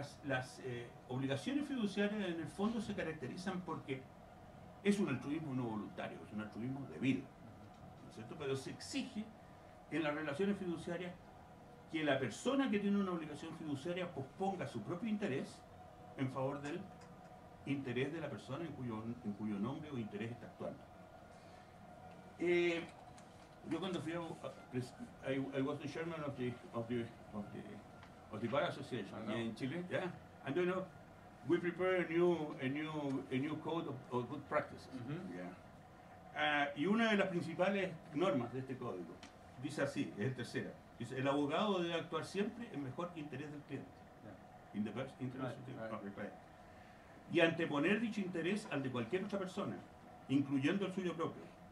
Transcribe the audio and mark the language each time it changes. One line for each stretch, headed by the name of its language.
Spanish: Las obligaciones fiduciarias en el fondo se caracterizan porque es un altruismo no voluntario, es un altruismo de vida, ¿no es cierto? Pero se exige en las relaciones fiduciarias que la persona que tiene una obligación fiduciaria posponga su propio interés en favor del interés de la persona en cuyo nombre o interés está actuando. Yo cuando fui a...
English: I was the chairman of the Bar Association
Spanish: en Chile,
English: yeah, and you know, we prepare a new code of good practices. Mm-hmm.
Spanish: Y una de las principales normas de este código dice así, es el tercera. Dice, el abogado debe actuar siempre en mejor interés del cliente.
English: Yeah. In the best interest of the client.
Spanish: Y anteponer dicho interés al de cualquier otra persona, incluyendo el suyo propio.